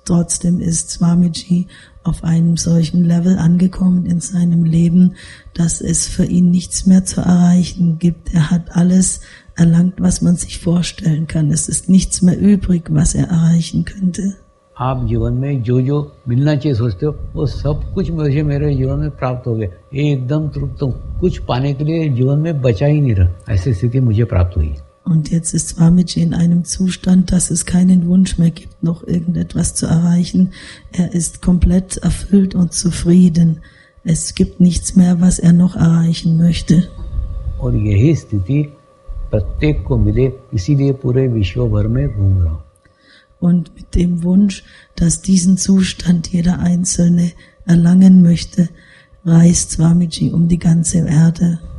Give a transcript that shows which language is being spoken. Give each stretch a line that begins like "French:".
German: trotzdem ist Swamiji auf einem solchen Level angekommen in seinem Leben, dass es für ihn nichts mehr zu erreichen gibt. Er hat alles erlangt, was man sich vorstellen kann. Es ist nichts mehr übrig, was er erreichen könnte.
Hindi: आप जीवन में जो जो मिलना चाहिए सोचते हो वो सब कुछ मुझे मेरे जीवन में प्राप्त हो गया एकदम तृप्त हूं कुछ पाने के लिए जीवन में बचा ही नहीं रहा ऐसी स्थिति मुझे प्राप्त हुई
German: Und jetzt ist Swamiji in einem Zustand, dass es keinen Wunsch mehr gibt, noch irgendetwas zu erreichen. Er ist komplett erfüllt und zufrieden. Es gibt nichts mehr, was er noch erreichen möchte.
Hindi: और यही स्थिति प्रत्येक को मिले इसीलिए पूरे विश्व भर में घूम रहा हूं
German: Und mit dem Wunsch, dass diesen Zustand jeder Einzelne erlangen möchte, reist Swamiji um die ganze Erde.